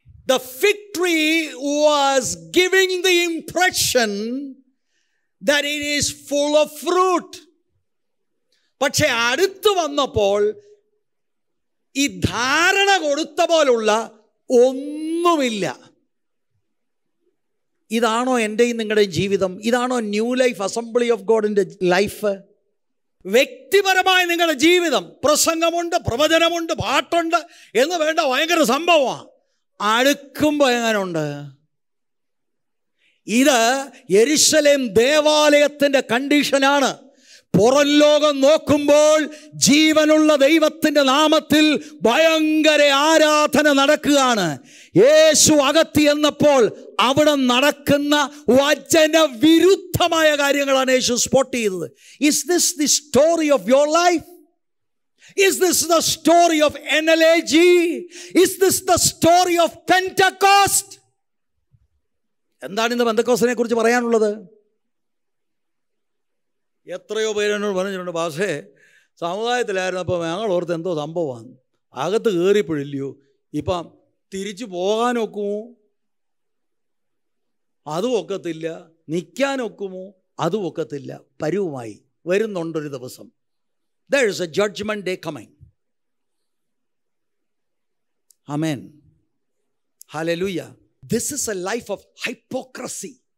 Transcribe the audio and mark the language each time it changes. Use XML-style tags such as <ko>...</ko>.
<en>The fig tree was giving the impression that it is full of fruit.</en> <ml>പക്ഷെ അടുത്തു വന്നപ്പോൾ ഈ ധാരണ കൊടുത്ത പോലുള്ള ഒന്നുമില്ല. ഇതാണോ എൻ്റെയും നിങ്ങളുടെയും ജീവിതം? ഇതാണോ new life assembly of ഗോഡിൻ്റെ life? വ്യക്തിപരമായ നിങ്ങളുടെ ജീവിതം, പ്രസംഗമുണ്ട്, പ്രവചനമുണ്ട്, പാട്ടുണ്ട് എന്ന് വേണ്ട, ഭയങ്കര സംഭവമാണ്. അടുക്കുമ്പോൾ എങ്ങനുണ്ട്? ഇത് യെരുശലേം ദേവാലയത്തിൻ്റെ കണ്ടീഷനാണ്. പുറം ലോകം നോക്കുമ്പോൾ ജീവനുള്ള ദൈവത്തിൻ്റെ നാമത്തിൽ ഭയങ്കര ആരാധന നടക്കുകയാണ്. യേശു അകത്തി എന്നപ്പോൾ അവിടെ നടക്കുന്ന വചനവിരുദ്ധമായ കാര്യങ്ങളാണ് യേശു സ്പോട്ട് ചെയ്തത്.</ml> <en>Is this the story of your life? Is this the story of NLAG? Is this the story of Pentecost?</en> <ml>എന്താണ് ഇന്ന് പെന്തക്കോസ്തിനെ കുറിച്ച് പറയാനുള്ളത്? എത്രയോ പേര് എന്നോട് പറഞ്ഞിട്ടുണ്ട്, പക്ഷേ സമുദായത്തിലായിരുന്നു അപ്പം ഞങ്ങൾ ഓർത്ത് എന്തോ സംഭവമാണ്, അകത്ത് കയറിപ്പോഴില്ലയോ, ഇപ്പം തിരിച്ചു പോകാനൊക്കുമോ, അതും ഒക്കത്തില്ല, നിൽക്കാനൊക്കുമോ, അതും ഒക്കത്തില്ല, പരുവുമായി വരുന്നുണ്ടൊരു ദിവസം.</ml> <en>There is a judgment day coming. Amen. Hallelujah. This is a life of hypocrisy.</en>